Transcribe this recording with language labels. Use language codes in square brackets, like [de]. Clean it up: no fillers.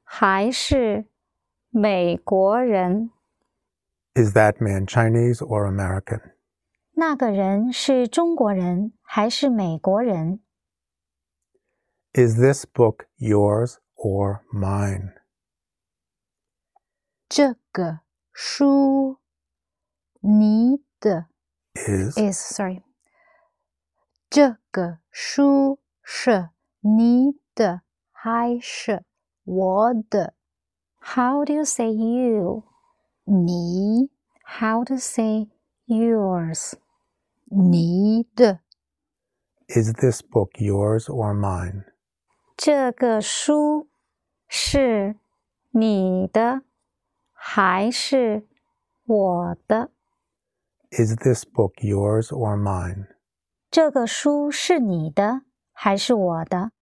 [zh] 那个人是中国人还是美国人? [en] Is that man Chinese or American? [zh] 那个人是中国人还是美国人? [en] Is this book yours or mine? [zh] 这个书你的 [en] is [zh] 这个书是你的还是我的? [en] How do you say you? [zh] 你 [en] How to say yours? [zh] 你的 [en] Is this book yours or mine? [zh] 这个书是你的还是我的? [en] Is this book yours or mine? [zh] 这个书是你的还是我的?